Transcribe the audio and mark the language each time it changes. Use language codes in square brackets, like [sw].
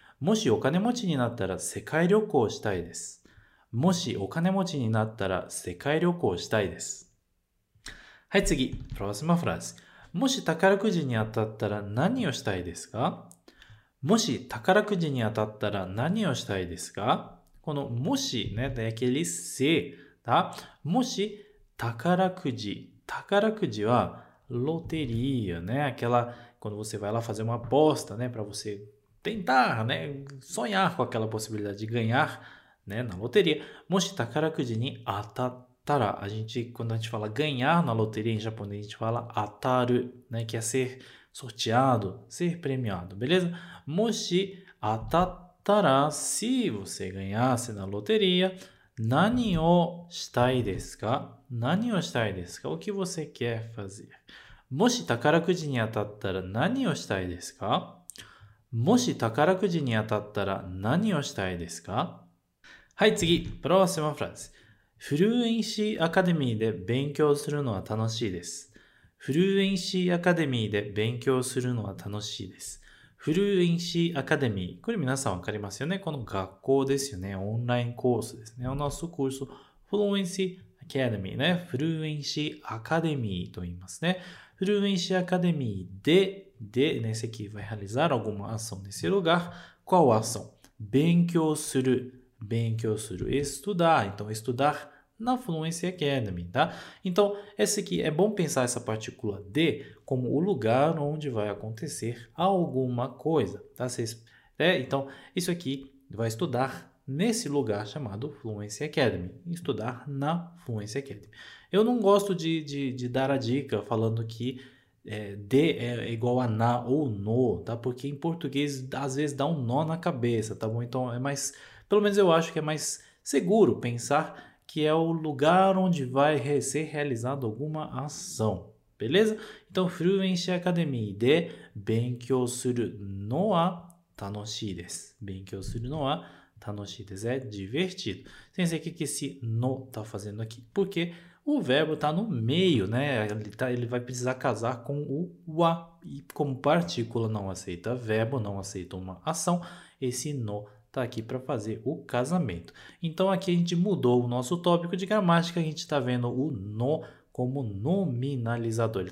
[ja] もしお金持ちになったら世界旅行したいです。もしお金持ちになったら世界旅行したいです。はい、次。プロスマフラス。もし宝くじに当たったら何をしたいですか？もし宝くじに当たったら何をしたいですか？このもしね、だやけりせ、たもし宝くじ、宝くじはロテリアね、 [pt] aquela quando você vai lá fazer uma aposta, né, para você tentar, né, sonhar com aquela possibilidade de ganhar, né, na loteria. [ja] もし宝くじに当たったら、 [pt] a gente quando a gente fala ganhar na loteria em japonês, a gente fala ataru, né, que é ser sorteado, ser premiado, beleza? [ja] もし当たったら、 [pt] se você ganhasse na loteria, [ja] 何をしたいですか？何をしたいですか？ [pt] O que você quer fazer? [ja] もし宝くじに当たったら何をしたいですか？もし宝くじに当たったら何をしたいですか？はい、次、プロセマフランス。フルエンシーアカデミーで勉強するのは楽しいです。フルエンシーアカデミーで勉強するのは楽しいです。フルエンシーアカデミー。これ皆さんわかりますよね？この学校ですよね。オンラインコースですね。お [pt] nosso curso [ja] フルエンシーアカデミーね。フルエンシーアカデミーと言いますね。フルエンシーアカデミーで、で、ね、 [pt] se aqui vai realizar alguma ação nesse lugar. Qual ação? [ja] 勉強する。勉強する。 [pt] Estudar. Então, estudar. Na Fluency Academy, tá? Então, esse aqui, é bom pensar essa partícula de como o lugar onde vai acontecer alguma coisa, tá? Cês, né? Então, isso aqui vai estudar nesse lugar chamado Fluency Academy. Estudar na Fluency Academy. Eu não gosto de dar a dica falando que de é igual a na ou no, tá? Porque em português, às vezes, dá um nó na cabeça, tá bom? Então, é mais... Pelo menos eu acho que é mais seguro pensar... que é o lugar onde vai ser realizada alguma ação, beleza? [ja] Então, Fluency Academy で勉強するのは楽しいです。勉強するのは楽しいです。 [pt] É divertido. 先生、o que esse no está fazendo aqui? Porque o verbo está no meio, né? Ele vai precisar casar com o wa. E como partícula não aceita verbo, não aceita uma ação, esse no... está aqui para fazer o casamento. Então, aqui a gente mudou o nosso tópico de gramática, a gente está vendo o no como nominalizador.